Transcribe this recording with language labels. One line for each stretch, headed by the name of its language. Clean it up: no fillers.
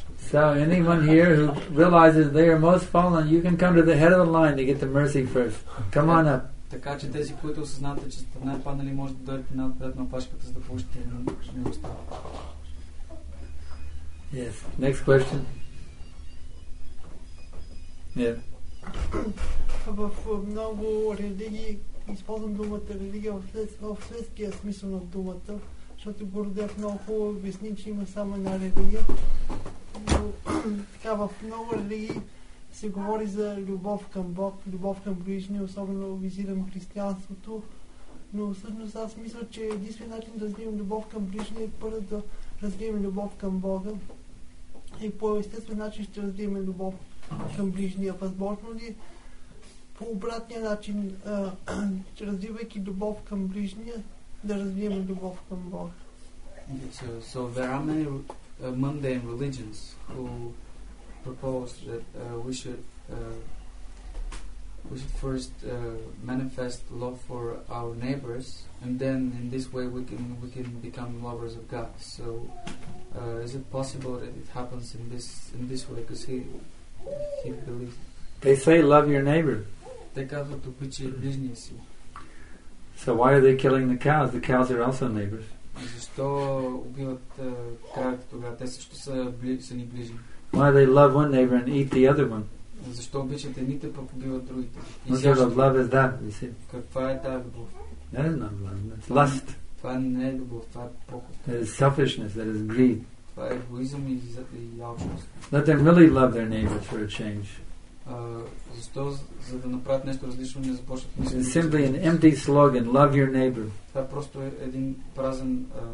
English: So anyone here who realizes they are most fallen, you can come to the head of the line to get the mercy first. Come on up.
Bulgarian: Така че тези, които осъзнавате, че сте най-паднали, може да дойдете напред на опашката, за да получите милостта.
English: Yes. Next question. Yeah.
Bulgarian: В много религии използвам думата религия в светския смисъл на думата, защото Гурудев много хубаво обясни, че има само една религия. Но така в много религии се говори за любов към Бог, любов към ближни, особено визирам християнството. Но всъщност аз мисля, че единствен начин да развием любов към ближни е първо да развием любов към Бога. И по естествен начин ще развием любов към ближния. Възможно ли по обратния начин, развивайки любов към ближния, да развием любов към Бога?
English: So there are many mundane religions who propose that we should first manifest love for our neighbors, and then in this way we can become lovers of God. So is it possible that it happens in this way? Because he believes. They say love your neighbor. They call it to put your business. So why are they killing the cows? The cows are also neighbors.
Bulgarian: Защо убиват кравите тогава? Те също са ни ближни.
English: Why they love one neighbor and eat the other one?
Bulgarian: Защо обичат едните, пък убиват другите?
English: What sort of love is that, you see?
Bulgarian: Каква е тая любов?
English: That is not love, that's lust.
Bulgarian: Това не е любов, това е похот.
English: That is selfishness, that is greed.
Bulgarian: Това е егоизъм и алчност.
English: Let them really love their neighbors for a change.
Bulgarian: Защо, за да направят нещо различно, не започват мисли?
English: It's simply an empty slogan, love your neighbor.
Bulgarian: Това е просто един празен